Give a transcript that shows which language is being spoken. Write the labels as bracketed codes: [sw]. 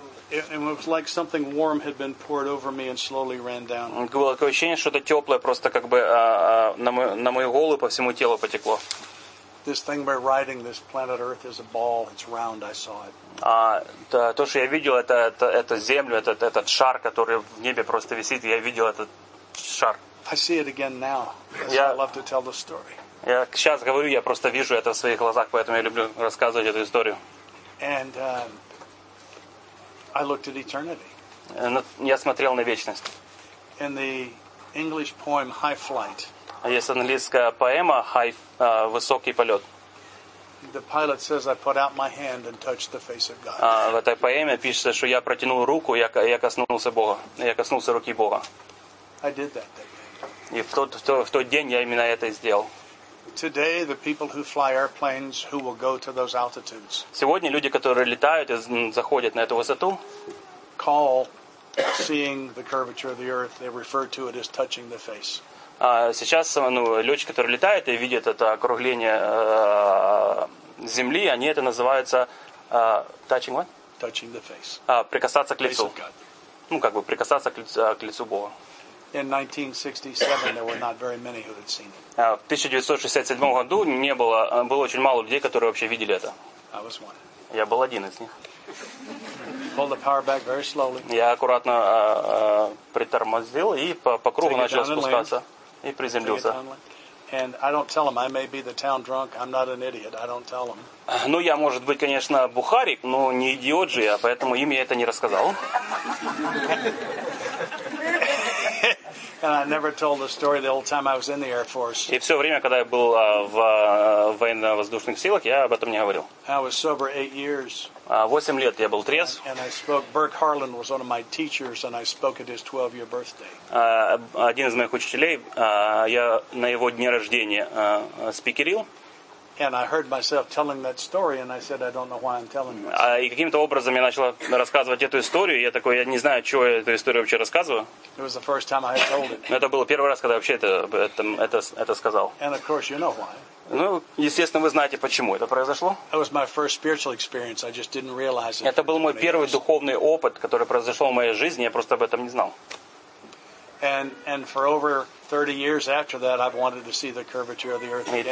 [en] It was like something warm had been poured over me and slowly ran down. [ru] Было такое ощущение, что-то теплое просто как бы на мою голову по всему телу потекло. [en] This thing we're riding, this planet Earth, is a ball. It's round. I saw it. [ru] То, что я видел, это землю, этот шар, который в небе просто висит. Я видел этот шар. [en] I see it again now. [ru] Я, [en] I love to tell the story. [ru] Я сейчас говорю, я просто вижу это в своих глазах, поэтому я люблю рассказывать эту историю. [en] And I looked at eternity. [ru] Я смотрел на вечность. [en] In the English poem High Flight. [ru] Есть английская поэма «Высокий полет». [en] The pilot says, "I put out my hand and touched the face of God." [ru] В этой поэме пишется, что я протянул руку, я коснулся Бога, я коснулся руки Бога. [en] I did that day. [ru] И в тот день я именно это сделал. [en] Today, the people who fly airplanes who will go to those altitudes. [ru] Сегодня люди, которые летают и заходят на эту высоту, [en] call seeing the curvature of the earth. They refer to it as touching the face. [ru] Сейчас летчики, которые летают и видят это округление Земли, они это называются [en] touching what? Touching the face. [ru] Прикасаться к лицу. Ну, как бы прикасаться к лицу Бога. [en] In 1967, there were not very many who had seen it. [ru] В 1967 году было очень мало людей, которые вообще видели это. [en] I was one. [ru] Я был один из них. [en] Pull the power back very slowly. [ru] Я аккуратно притормозил и по кругу начал спускаться. И приземлился. [en] And I don't tell them. I may be the town drunk. I'm not an idiot. I don't tell them. [ru] Ну, я, может быть, конечно, бухарик, но не идиот же я, поэтому им я это не рассказал. [en] And I never told the story the whole time I was in the Air Force. [ru] И все время, когда я был в военно-воздушных силах, я об этом не говорил. [en] I was sober 8 years. [ru] 8 лет я был трезв. [en] And I spoke. Burke Harlan was one of my teachers, and I spoke at his 12-year birthday. [ru] Один из моих учителей, я на его дне рождения спикерил. [en] And I heard myself telling that story, and I said, I don't know why I'm telling this. [ru] И каким-то образом я начал рассказывать эту историю, я такой, я не знаю, чего я эту историю вообще рассказываю. [en] It was the first time I had told it. [ru] Это был первый раз, когда вообще это сказал. [en] And of course, you know why. [ru] Ну, естественно, вы знаете, почему это произошло. [en] It was my first spiritual experience. I just didn't realize it. [ru] Это был мой первый духовный опыт, который произошел в моей жизни, я просто об этом не знал. [en] And for over 30 years after that, I've wanted to see the curvature of the earth again.